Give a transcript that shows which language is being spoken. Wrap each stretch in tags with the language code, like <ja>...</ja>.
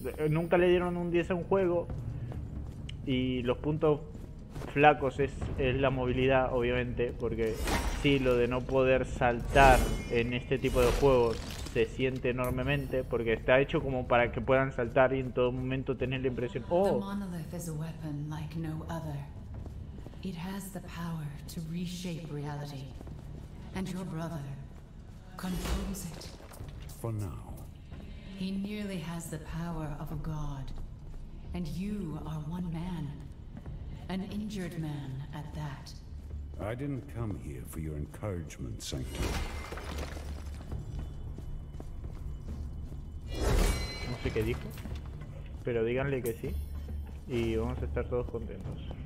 <es>Nunca le dieron un 10 a un juego. Y los puntos flacos es la movilidad, obviamente, porque sí, lo de no poder saltar en este tipo de juegos se siente enormemente, porque está hecho como para que puedan saltar y en todo momento tener la impresión. Oh.</es> <en>The monolith is a weapon like no other. It has the power to reshape reality. And your brother controls it. For now. He nearly has the power of a god. And you are one man, an injured man at that. I didn't come here for your encouragement, Sanctum.</en> <es>No sé qué dijo, pero díganle que sí y vamos a estar todos contentos.</es>